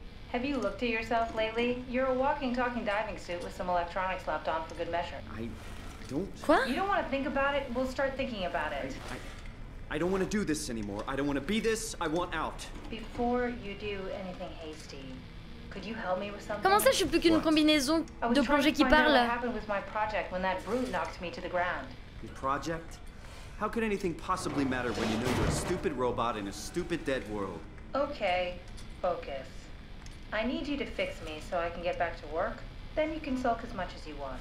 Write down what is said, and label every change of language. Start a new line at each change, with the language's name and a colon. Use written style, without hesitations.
English: Have you looked at yourself lately? You're a walking, talking diving suit with some electronics slapped on for good measure. I don't...
French: Quoi?
English: You don't want to think about it? We'll start thinking about it. I don't want to do this anymore. I don't want to be this. I want out. Before you do anything hasty, could you help me with something?
French: Comment ça, je suis plus qu'une combinaison de plongée qui parle?
English: What happened with my project when that brute knocked me to the ground? Your project? How could anything possibly matter when you know you're a stupid robot in a stupid dead world? Okay, focus. I need you to fix me so I can get back to work. Then you can sulk as much as you want.